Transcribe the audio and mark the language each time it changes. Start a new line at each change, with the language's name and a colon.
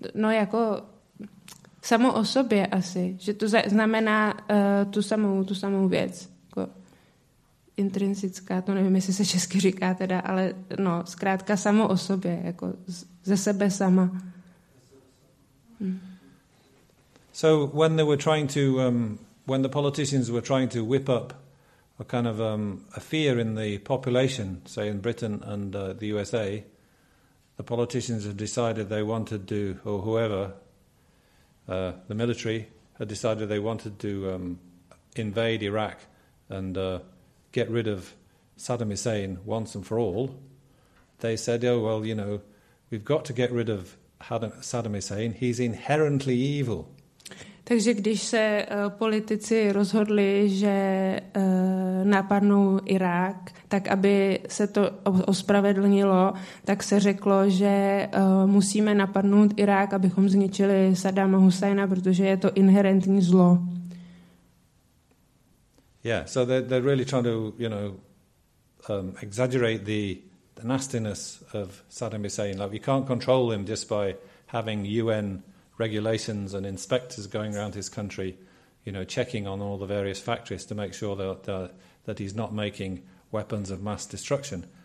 Czech: Jako samo o sobě asi, že to znamená tu samou věc. Jako intrinsická, to nevím, jestli se česky říká teda, ale no, zkrátka samo o sobě, jako ze sebe sama.
English: So when they were trying to, when the politicians were trying to whip up a kind of a fear in the population, say in Britain and the USA, the politicians had decided they wanted to, or whoever, the military had decided they wanted to invade Iraq and get rid of Saddam Hussein once and for all. They said, oh, well, you know, we've got to get rid of Saddam Hussein. He's inherently evil.
Czech: Takže když se politici rozhodli, že napadnou Irák, tak aby se to ospravedlnilo, tak se řeklo, že musíme napadnout Irák, abychom zničili Saddama Husajna, protože je to inherentní zlo.
English: Yeah, so they're really trying to, you know, exaggerate the nastiness of Saddam Hussein. Like, you can't control him just by having UN regulations and inspectors going around his country, you know, checking on all the various factories to make sure that he's not making weapons of mass destruction.